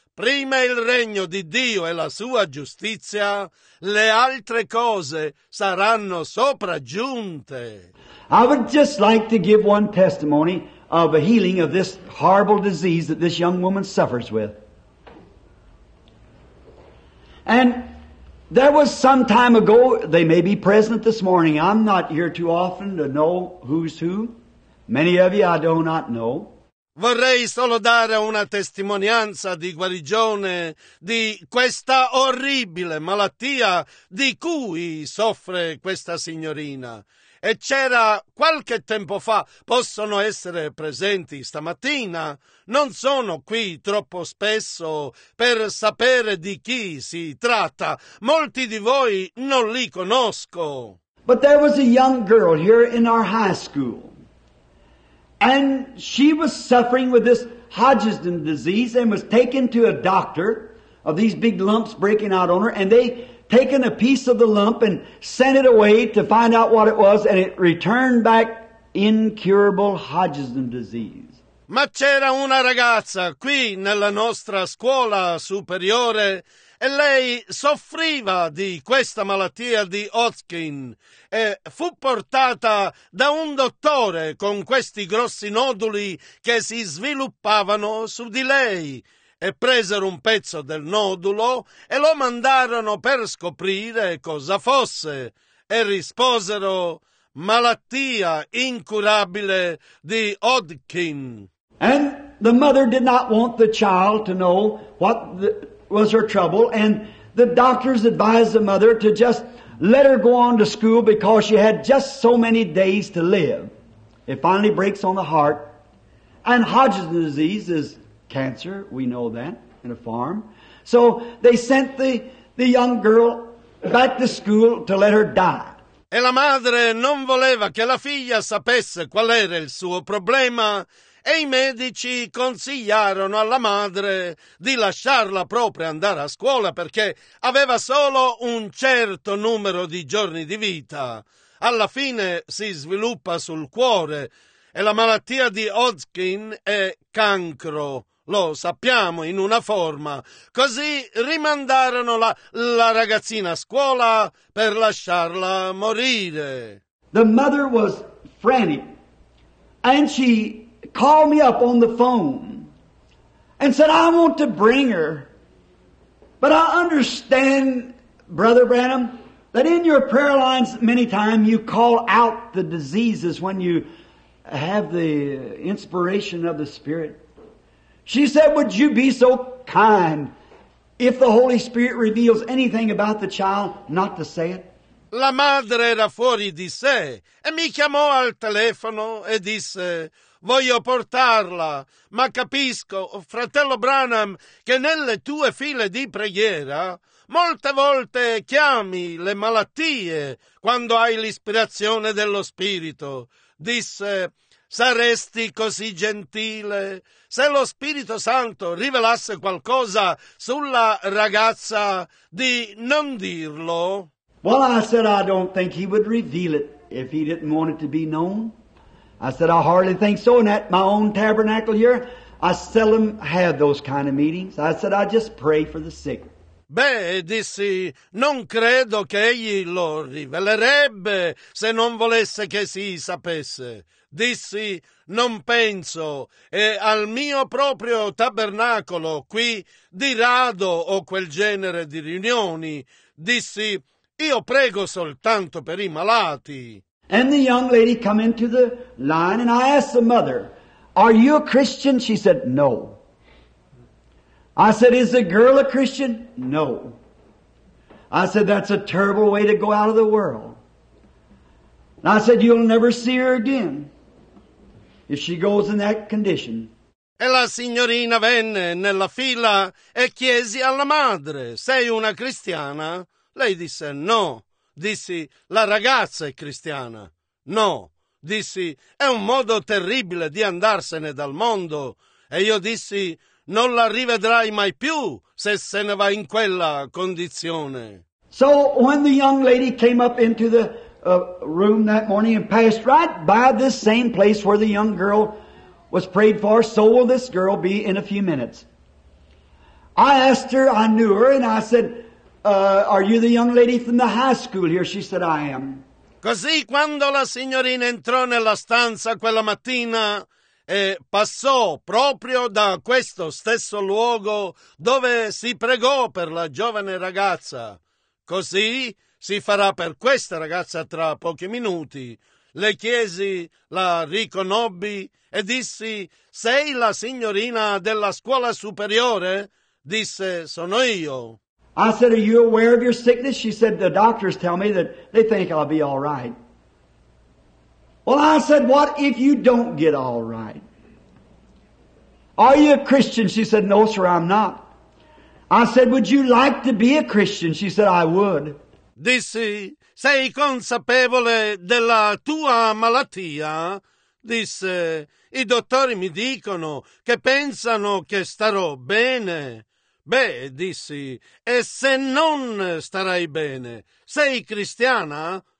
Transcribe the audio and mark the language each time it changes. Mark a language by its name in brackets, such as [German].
[Italian] prima il regno di Dio e la sua giustizia, le altre cose saranno sopraggiunte. [English] I would just like to give one testimony of a healing of this horrible disease that this young woman suffers with. And there was some time ago, they may be present this morning, I'm not here too often to know who's who. Many of you I do not know. [Italian] Vorrei solo dare una testimonianza di guarigione di questa orribile malattia di cui soffre questa signorina. E c'era qualche tempo fa, possono essere presenti stamattina, non sono qui troppo spesso per sapere di chi si tratta. Molti di voi non li conosco. [English] But there was a young girl here in our high school. And she was suffering with this Hodgson disease and was taken to a doctor of these big lumps breaking out on her, and they taken a piece of the lump and sent it away to find out what it was, and it returned back incurable Hodgson disease. [Italian] Ma c'era una ragazza qui nella nostra scuola superiore e lei soffriva di questa malattia di Hodgkin e fu portata da un dottore con questi grossi noduli che si sviluppavano su di lei e presero un pezzo del nodulo e lo mandarono per scoprire cosa fosse e risposero malattia incurabile di Hodgkin. [English] And the mother did not want the child to know what was her trouble, and the doctors advised the mother to just let her go on to school because she had just so many days to live. It finally breaks on the heart, and Hodgson's disease is cancer, we know that, in a farm. So they sent the young girl back to school to let her die. [Italian] E la madre non voleva che la figlia sapesse qual era il suo problema. E i medici consigliarono alla madre di lasciarla proprio andare a scuola perché aveva solo un certo numero di giorni di vita. Alla fine si sviluppa sul cuore e la malattia di Hodgkin è cancro. Lo sappiamo in una forma. Così rimandarono la ragazzina a scuola per lasciarla morire. [English] The mother was frantic and she called me up on the phone and said, I want to bring her. But I understand, Brother Branham, that in your prayer lines many times you call out the diseases when you have the inspiration of the Spirit. She said, would you be so kind if the Holy Spirit reveals anything about the child not to say it? [Italian] La madre era fuori di sé e mi chiamò al telefono e disse, voglio portarla, ma capisco, fratello Branham, che nelle tue file di preghiera molte volte chiami le malattie quando hai l'ispirazione dello Spirito. Disse, saresti così gentile se lo Spirito Santo rivelasse qualcosa sulla ragazza di non dirlo? [English] Well, I said, I don't think he would reveal it if he didn't want it to be known. I said, I hardly think so. And at my own tabernacle here, I seldom have those kind of meetings. I said, I just pray for the sick. [Italian] Beh, dissi, non credo che egli lo rivelerebbe se non volesse che si sapesse. Dissi, non penso, e al mio proprio tabernacolo qui di rado ho quel genere di riunioni. Dissi, io prego soltanto per i malati. [English] And the young lady come into the line, and I asked the mother, are you a Christian? She said, no. I said, is the girl a Christian? No. I said, that's a terrible way to go out of the world. And I said, you'll never see her again if she goes in that condition. [Italian] E la signorina venne nella fila e chiesi alla madre, sei una cristiana? Lei disse, no. Dissi, la ragazza è cristiana. No, dissi, è un modo terribile di andarsene dal mondo. E io dissi, non la rivedrai mai più se se ne va in quella condizione. [English] So when the young lady came up into the room that morning and passed right by this same place where the young girl was prayed for, so will this girl be in a few minutes. I asked her, I knew her, and I said, are you the young lady from the high school here? She said, I am. [Italian] Così quando la signorina entrò nella stanza quella mattina, passò proprio da questo stesso luogo dove si pregò per la giovane ragazza. Così si farà per questa ragazza tra pochi minuti. Le chiesi, la riconobbi e dissi, sei la signorina della scuola superiore? Disse, sono io. [English] I said, are you aware of your sickness? She said, the doctors tell me that they think I'll be all right. Well, I said, what if you don't get all right? Are you a Christian? She said, no, sir, I'm not. I said, would you like to be a Christian? She said, I would. [Italian] Dissi, sei consapevole della tua malattia? Disse, i dottori mi dicono che pensano che starò bene. Beh, dissi, e se non starai bene, sei cristiana?